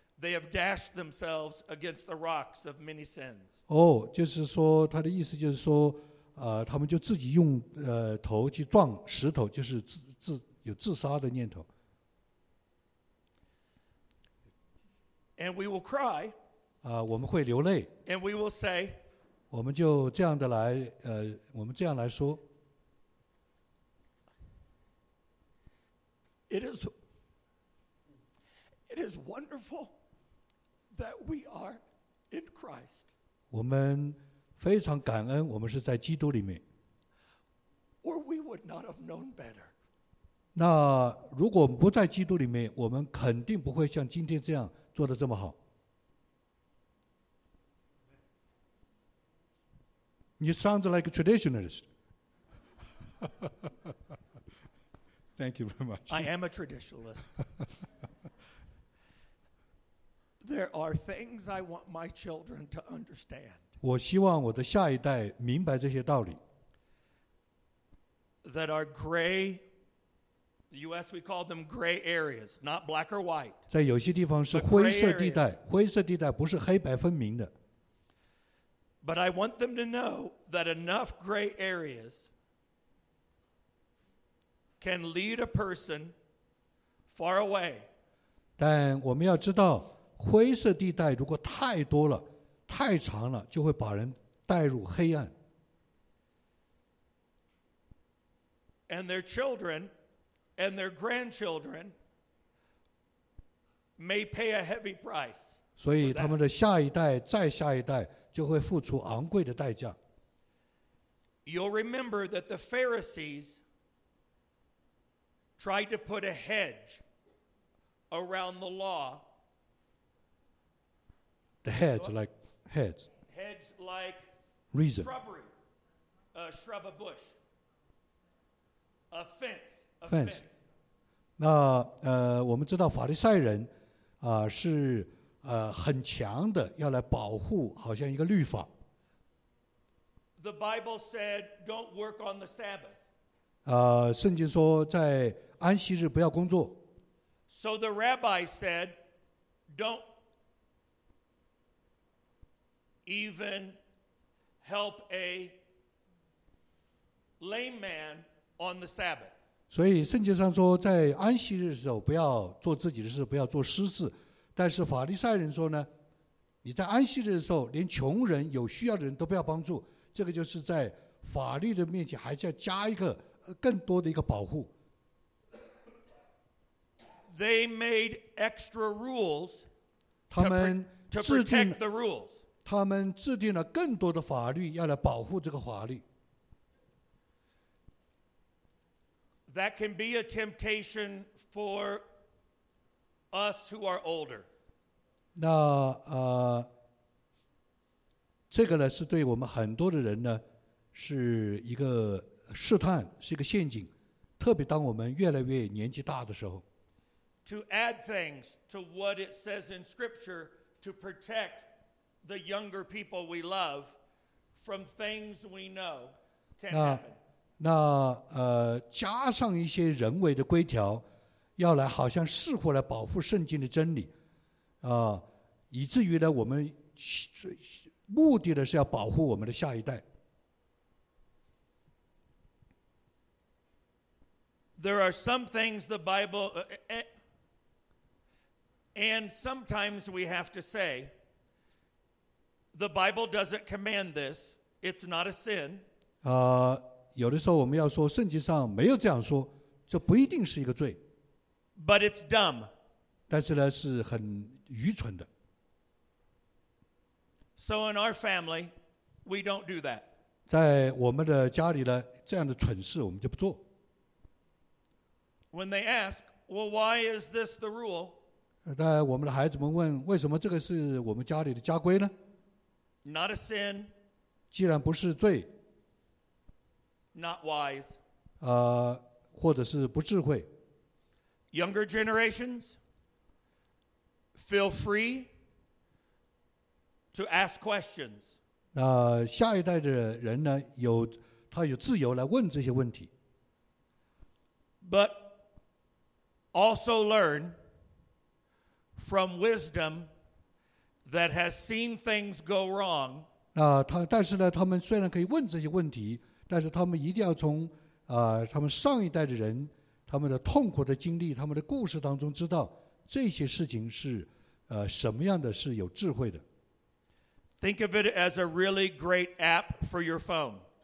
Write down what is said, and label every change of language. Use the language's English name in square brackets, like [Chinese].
[English] They have dashed themselves against the rocks of many sins. [Chinese] 就是说他的意思就是说，他们就自己用头去撞石头，就是自自。有自杀的念头。 [English] And we will cry. [Chinese] 我们会流泪。 [English] And we will say. [Chinese] 我们就这样的来，我们这样来说。 [English] It is wonderful that we are in Christ. [Chinese] 我们非常感恩，我们是在基督里面。 [English] Or we would not have known better. [Chinese] 那如果不在基督里面，我们肯定不会像今天这样做得这么好。 [English] You sound like a traditionalist. Thank you very much. I am a traditionalist. There are things I want my children to understand. [Chinese] 我希望我的下一代明白这些道理。 [English] That are gray. The U.S. we call them gray areas, not black or white. [Chinese] 在有些地方是灰色地带，灰色地带不是黑白分明的。 [English] But I want them to know that enough gray areas can lead a person far away. [Chinese] 但我们要知道，灰色地带如果太多了、太长了，就会把人带入黑暗。 [English] And their children and their grandchildren may pay a heavy price. [Chinese] 所以他们的下一代、再下一代就会付出昂贵的代价。 [English] You'll remember that the Pharisees tried to put a hedge around the law. The hedge, like hedge. Hedge like reason. Shrubbery, a shrub, a bush, a fence. A fence. [Chinese] 那我们知道法利赛人是。很强的要来保护好像一个律法。 [English] The Bible said, don't work on the Sabbath. [Chinese] 圣经说在安息日不要工作。 [English] So the rabbi said, don't even help a lame man on the Sabbath. [Chinese] 所以圣经上说在安息日的时候不要做自己的事，不要做施事。但是法利赛人说呢，你在安息日的时候连穷人有需要的人都不要帮助，这个就是在法律的面前还是要加一个更多的一个保护。 [English] They made extra rules to protect the rules. [Chinese] 他们制定了更多的法律要来保护这个法律。 [English] That can be a temptation for us who are older. [Chinese] 那这个呢是对我们很多的人呢是一个试探，是一个陷阱，特别当我们越来越年纪大的时候。 [English] To add things to what it says in scripture to protect the younger people we love from things we know can happen. [Chinese] 那加上一些人为的规条，要来好像试图来保护圣经的真理，以至于呢，我们目的呢是要保护我们的下一代。 [English] There are some things the Bible, and sometimes we have to say, the Bible doesn't command this; it's not a sin. [Chinese] 有的时候我们要说圣经上没有这样说，这不一定是一个罪。 [English] But it's dumb. [Chinese] 但是呢，是很愚蠢的。 [English] So in our family, we don't do that. [Chinese] 在我们的家里呢，这样的蠢事我们就不做。 [English] When they ask, well, why is this the rule? [Chinese] 但我们的孩子们问，为什么这个是我们家里的家规呢？ [English] Not a sin. [Chinese] 既然不是罪。 [English] Not wise. [Chinese] 或者是不智慧。 [English] Younger generations, feel free to ask questions. [Chinese] 下一代的人呢，他有自由来问这些问题。 [English] But also learn from wisdom that has seen things go wrong. [Chinese] 但是呢，他们虽然可以问这些问题，但是他们一定要从他们上一代的人他们的痛苦的经历，他们的故事当中知道这些事情是什么样的，是有智慧的。 [English] Think of it as a really great app for your phone.